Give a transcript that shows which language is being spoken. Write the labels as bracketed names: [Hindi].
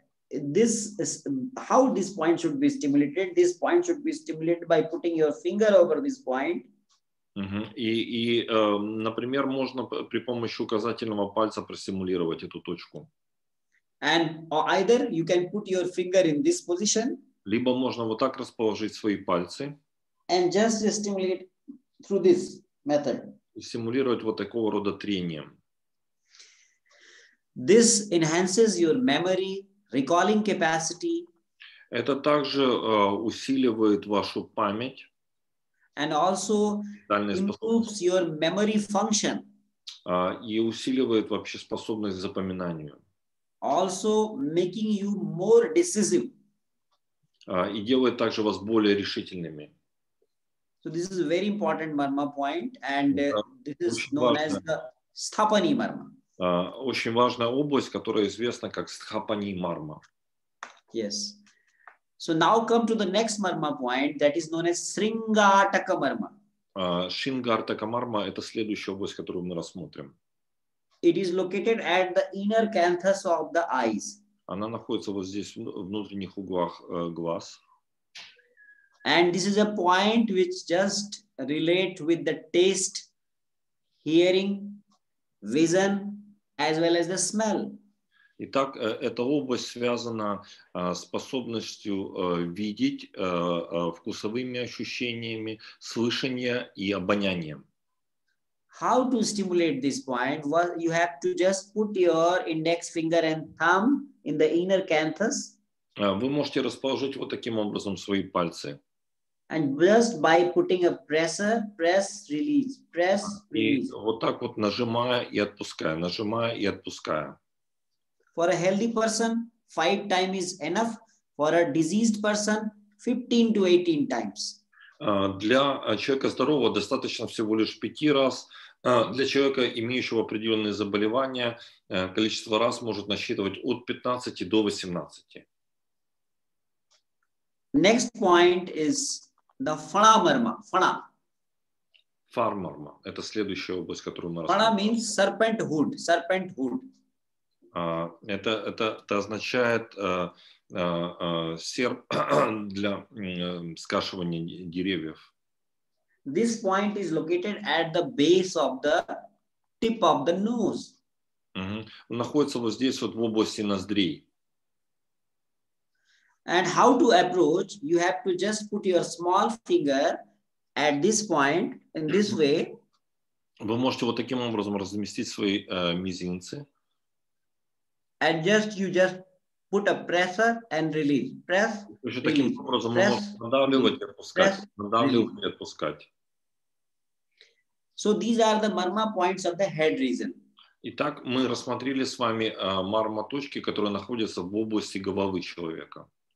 [English] So how this point should be stimulated? This point should be stimulated by putting your finger over this point. [Russian] Например, можно при помощи указательного пальца простимулировать эту точку. [English] And either you can put your finger in this position. [Russian] Либо можно вот так расположить свои пальцы. [English] And just stimulate through this method. [Russian] Стимулировать вот такого рода трением. [English] This enhances your memory, recalling capacity. [Russian] Это также усиливает вашу память. [English] And also improves your memory function. [Russian] И усиливает вообще способность к запоминанию. [English] Also making you more decisive. [Russian] И делает также вас более решительными. [English] So this is a very important Marma point, and this is known as the Sthapani Marma. [Russian] Очень важная область, которая известна как Сдхапани Марма. [English] Yes. So now come to the next Marma point, that is known as Шрингартака Марма. [Russian] Шрингартака Марма – это следующая область, которую мы рассмотрим. [English] It is located at the inner canthus of the eyes. [Russian] Она находится вот здесь, в внутренних углах глаз. [English] And this is a point which just relate with the taste, hearing, vision, as well as the smell. [Russian] Итак, эта область связана с способностью видеть, вкусовыми ощущениями, слышание и обонянием. [English] how to stimulate this point? Well, you have to just put your index finger and thumb in the inner canthus. [Russian] Вы можете расположить вот таким образом свои пальцы. [English] And just by putting a presser, press, release, press, release. [Russian] И вот так вот нажимая и отпуская. [English] For a healthy person, 5 times is enough. For a diseased person, 15 to 18 times. [Russian] Для человека здорового достаточно всего лишь 5 раз. Для человека, имеющего определенные заболевания, количество раз может насчитывать от 15 до 18. [English] Next point is the фламарма. [Russian] Фла. Фармарма. Это следующая область, которую мы рассмотрим. [English] Фла means serpenthood. Serpenthood. [Russian] Это означает серп для скашивания деревьев. [English] This point is located at the base of the tip of the nose. [Russian] Он находится вот здесь вот в области ноздрей. [English] And how to approach? You have to just put your small finger at this point in this way. [Russian] Вы можете вот таким образом разместить свои мизинцы. [English] And just you just put a presser and release. Press. [Russian] Еще таким образом можно надавливать и отпускать. Надавливать и отпускать. [English] So these are the marma points of the head region. [Russian] Итак, мы рассмотрели с вами марма точки, которые находятся в области головы человека.